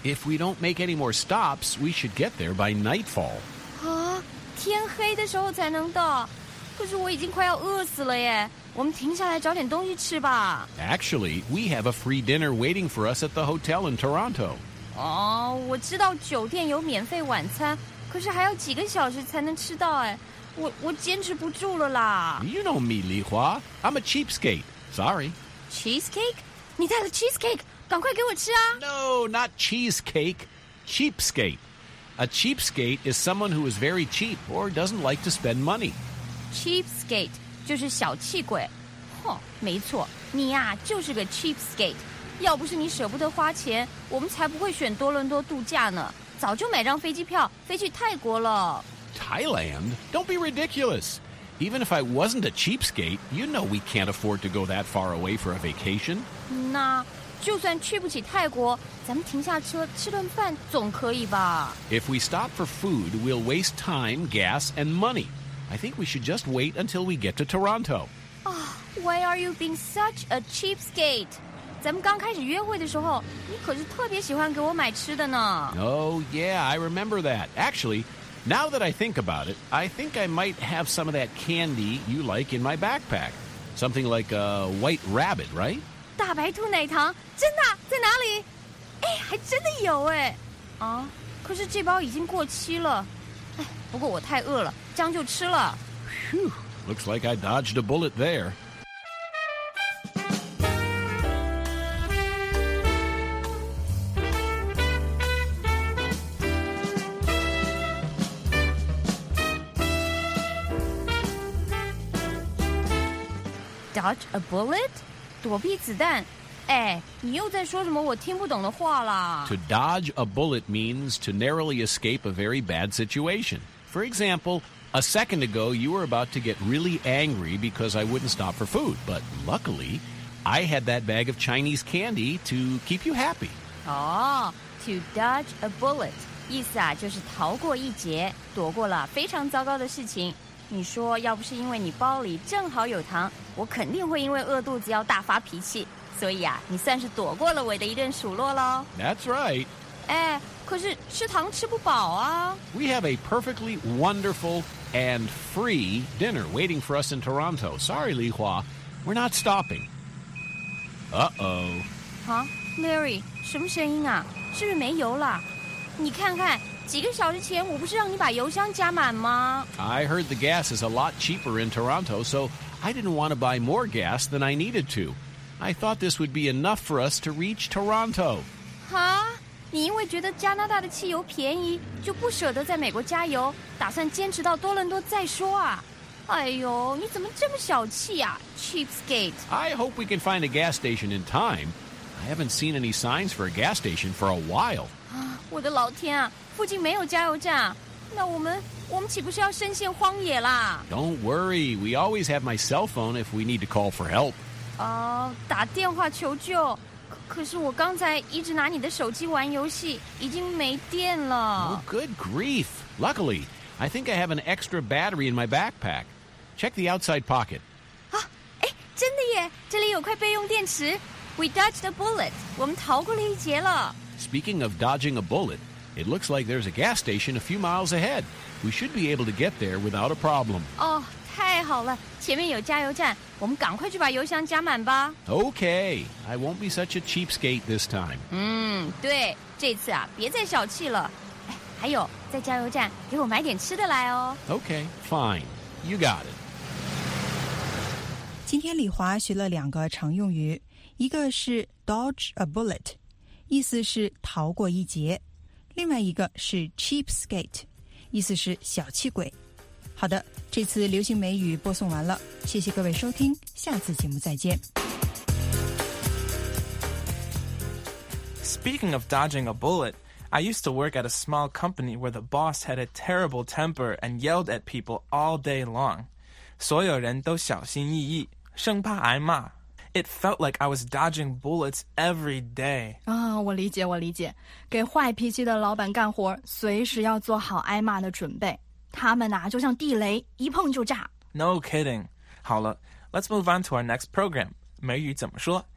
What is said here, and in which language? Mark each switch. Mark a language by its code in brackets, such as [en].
[en] If we don't make any more stops, we should get there by nightfall. [zh] 啊，天黑的时候才能到，可是我已经快要饿死了耶，我们停下来找点东西吃吧。 [en] Actually, we have a free dinner waiting for us at the hotel in Toronto. [zh] 哦，我知道酒店有免费晚餐，可是还要几个小时才能吃到哎，我坚持不住了啦。 [en] You know me, Li Hua. I'm a cheapskate. Sorry. [zh] Cheesecake? 你带了 cheesecake? 赶快给我吃啊。 [en] No, not cheesecake. Cheapskate. A cheapskate is someone who is very cheap or doesn't like to spend money. [zh] Cheapskate. 就是小气鬼，哼，没错，你呀、啊、就是个 cheapskate。要不是你舍不得花钱，我们才不会选多伦多度假呢，早就买张飞机票飞去泰国了。 [en] Thailand? Don't be ridiculous. Even if I wasn't a cheapskate, you know we can't afford to go that far away for a vacation. 那就算去不起泰国，咱们停下车吃顿饭总可以吧。 If we stop for food, we'll waste time, gas, and money. I think we should just wait until we get to Toronto. Oh, why are you being such a cheapskate? [zh] 咱们刚开始约会的时候，你可是特别喜欢给我买吃的呢。 [en] Oh, yeah, I remember that. Actually, now that I think about it, I think I might have some of that candy you like in my backpack. Something like a white rabbit, right? [zh] 大白兔奶糖，真的，在哪里？哎，还真的有哎。啊，可是这包已经过期了。哎，不过我太饿了，这样就吃了。 [en] Phew, looks like I dodged a bullet there. Dodge a bullet? [zh] 躲避子弹？哎，你又在说什么我听不懂的话了。 [en] To dodge a bullet means to narrowly escape a very bad situation. For example, a second ago you were about to get really angry because I wouldn't stop for food. But luckily, I had that bag of Chinese candy to keep you happy. Oh, to dodge a bullet. [zh] 意思啊，就是逃过一劫，躲过了非常糟糕的事情。你说要不是因为你包里正好有糖，我肯定会因为饿肚子要大发脾气。所以啊，你算是躲过了我的一顿数落喽。 [en] That's right. [zh] 哎，可是吃糖吃不饱啊。 [en] We have a perfectly wonderful and free dinner waiting for us in Toronto. Sorry, Li Hua, we're not stopping. Uh-oh. [zh] Huh? Larry, 什么声音啊？是不是没油了？你看看。几个小时前我不是让你把油箱加满吗 [en] I heard the gas is a lot cheaper in Toronto, so I didn't want to buy more gas than I needed to. I thought this would be enough for us to reach Toronto. Huh? [zh] 你因为觉得加拿大的汽油便宜就不舍得在美国加油打算坚持到多伦多再说啊哎呦你怎么这么小气啊 Cheapskate. [en] I hope we can find a gas station in time. I haven't seen any signs for a gas station for a while. [zh] 我的老天啊附近没有加油站，那我们岂不是要深陷荒野啦 [en] ？Don't worry, we always have my cell phone if we need to call for help. [zh] 打电话求救，可是我刚才一直拿你的手机玩游戏，已经没电了。 [en] Oh, good grief! Luckily, I think I have an extra battery in my backpack. Check the outside pocket. [zh] 真的耶，这里有块备用电池。 [en] We dodged a bullet. [zh] 我们逃过了一劫了。 [en] Speaking of dodging a bullet. It looks like there's a gas station a few miles ahead. We should be able to get there without a problem. [zh] Oh, 太好了，前面有加油站，我们赶快去把油箱加满吧。 [en] Okay, I won't be such a cheapskate this time. [zh] 对，这次啊，别再小气了。还有，在加油站给我买点吃的来哦。 [en] Okay, fine. You got it. [zh] 今天李华学了两个常用语，一个是 dodge a bullet, 意思是逃过一劫。另外一个是 cheapskate, 意思是小气鬼。好的，这次流行美语播送完了，谢谢各位收听，下次节目再见。 [en] Speaking of dodging a bullet, I used to work at a small company where the boss had a terrible temper and yelled at people all day long. [zh] 所有人都小心翼翼，生怕挨骂。 [en] It felt like I was dodging bullets every day. [zh] 我理解，我理解。给坏脾气的老板干活，随时要做好挨骂的准备。他们啊，就像地雷，一碰就炸。 [en] No kidding. [zh] 好了 [en] ，Let's move on to our next program. [zh] 美语怎么说？